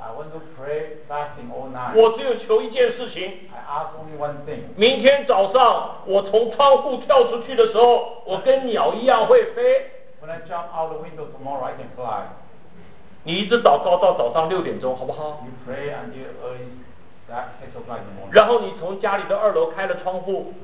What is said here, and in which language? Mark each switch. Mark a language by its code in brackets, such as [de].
[en] I want to pray fasting all night。 [zh] 我只有求一件事情。 [en] I ask only one thing。 [zh] 明天早上我从窗户跳出去的时候，我跟鸟一样会飞。 [en] When I jump out the window tomorrow, I can fly。 [zh] 你一直祷告到早上六点钟，好不好 [en] ？You pray until early that 6 o'clock in the morning。 [zh] 然后你从家里的二楼开了窗户，